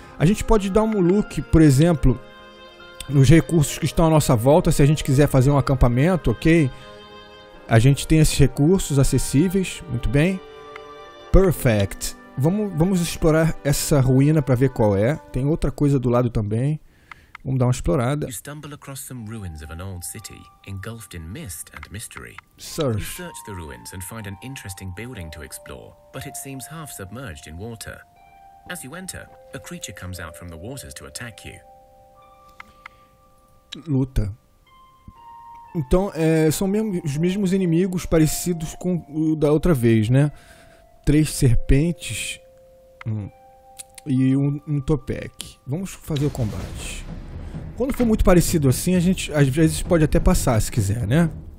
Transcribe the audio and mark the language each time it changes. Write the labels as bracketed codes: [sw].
[pt] A gente pode dar um look, por exemplo, nos recursos que estão à nossa volta. Se a gente quiser fazer um acampamento, ok? A gente tem esses recursos acessíveis. Muito bem. Perfect. Vamos explorar essa ruína para ver qual é. Tem outra coisa do lado também. Vamos dar uma explorada. [en] You stumble across some ruins of an old city, engulfed in mist and mystery. Search. You search the ruins and find an interesting building to explore, but it seems half submerged in water. As you enter, a creature comes out from the waters to attack you. [pt] Luta. Então, são os mesmos inimigos parecidos com o da outra vez, né? Três serpentes e um topeque. Vamos fazer o combate. Quando for muito parecido assim, a gente às vezes pode até passar, se quiser, né?